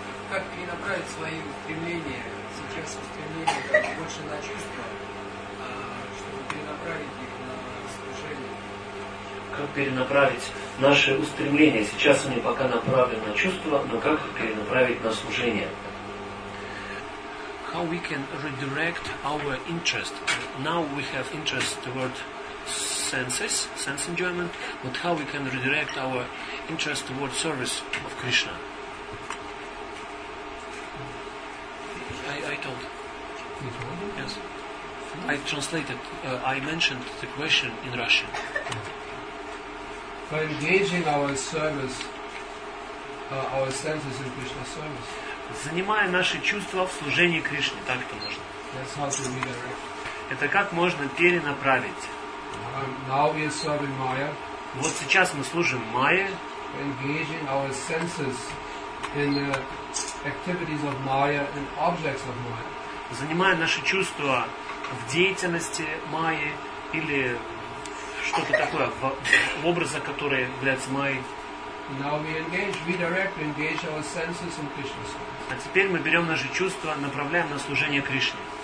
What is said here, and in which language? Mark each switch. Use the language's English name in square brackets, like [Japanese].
[Russian] как перенаправить свои стремления, все те стремления как больше на чувства, чтобы перенаправить их на служение? Как перенаправить наши устремления? Сейчас они пока направлены на чувства, но как их перенаправить на служение? [English] How we can redirect our interest? Now we have interest toward senses, sense enjoyment, but how we can redirect our interest toward service of Krishna? I told. Yes. I translated. I mentioned the question in Russian. By engaging our service, our senses in Krishna service. [Russian] Занимая наши чувства в служении Кришне, так это можно. Это как можно перенаправить. [English] Now we are serving Maya. [Russian] Вот сейчас мы служим Майе. [English] Engaging our senses in the activities of Maya and objects of Maya. [Russian] Занимая наши чувства в деятельности Майи или что-то такое, в образах, которые являются Майей. [English] Now we engage, we direct, engage our senses in Krishna's service. [Russian] А теперь мы берем наши чувства, направляем на служение Кришне.